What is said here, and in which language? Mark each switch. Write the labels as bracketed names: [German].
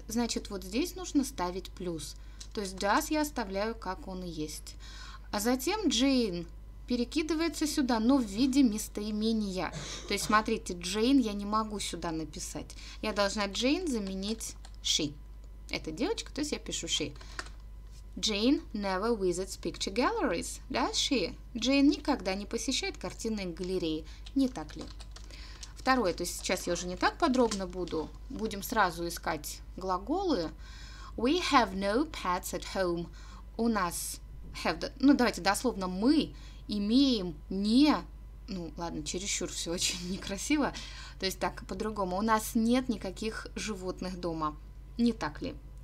[Russian] Значит, вот здесь нужно ставить плюс. То есть does я оставляю, как он и есть. А затем Jane перекидывается сюда, но в виде местоимения. То есть, смотрите, Jane я не могу сюда написать. Я должна Jane заменить she. Это девочка, то есть я пишу she. [English] Jane never visits picture galleries, does she? [Russian] Jane никогда не посещает картинные галереи, не так ли? Второе, то есть сейчас я уже не так подробно буду. Будем сразу искать глаголы. [English] We have no pets at home. [Russian] У нас have, ну давайте дословно, мы имеем не, ну ладно, чересчур все очень некрасиво, то есть так по-другому, у нас нет никаких животных дома, не так ли?